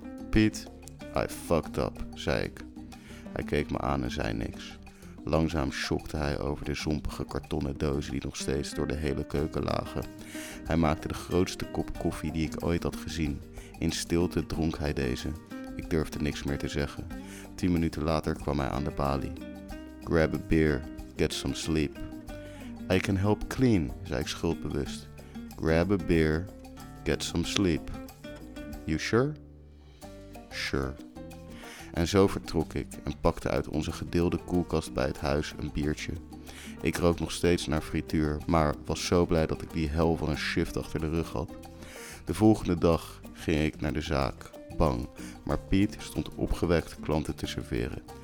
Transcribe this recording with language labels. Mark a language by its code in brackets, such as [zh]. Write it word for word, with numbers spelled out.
[nl] Piet, [en] I fucked up, [nl] zei ik. Hij keek me aan en zei niks. Langzaam schokte hij over de zompige kartonnen dozen die nog steeds door de hele keuken lagen. Hij maakte de grootste kop koffie die ik ooit had gezien. In stilte dronk hij deze. Ik durfde niks meer te zeggen. Tien minuten later kwam hij aan de balie. [en] Grab a beer, get some sleep. I can help clean, [nl] zei ik schuldbewust. [en] Grab a beer, get some sleep. You sure? Sure. [nl] En zo vertrok ik en pakte uit onze gedeelde koelkast bij het huis een biertje. Ik rook nog steeds naar frituur, maar was zo blij dat ik die hel van een shift achter de rug had. De volgende dag ging ik naar de zaak, bang, maar Piet stond opgewekt klanten te serveren.